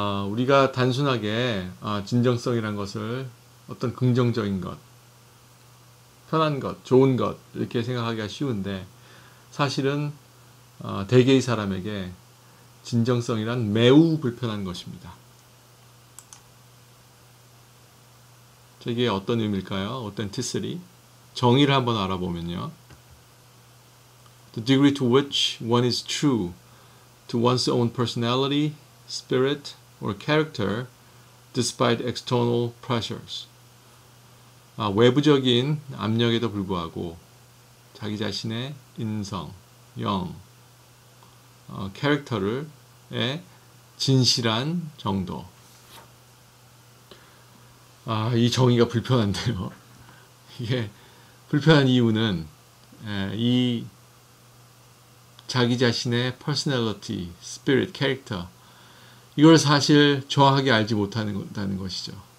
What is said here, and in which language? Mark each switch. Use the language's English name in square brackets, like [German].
[Korean] 우리가 단순하게 진정성이란 것을 어떤 긍정적인 것, 편한 것, 좋은 것 이렇게 생각하기가 쉬운데 사실은 대개의 사람에게 진정성이란 매우 불편한 것입니다. 저게 어떤 의미일까요? Authenticity. 정의를 한번 알아보면요. [English] The degree to which one is true to one's own personality, spirit, or character, despite external pressures. [Korean] 외부적인 압력에도 불구하고 자기 자신의 인성, 영, character를의 진실한 정도. 이 정의가 불편한데요. 이게 불편한 이유는 이 자기 자신의 personality, spirit, character 이걸 사실 정확하게 알지 못하는 다는 것이죠.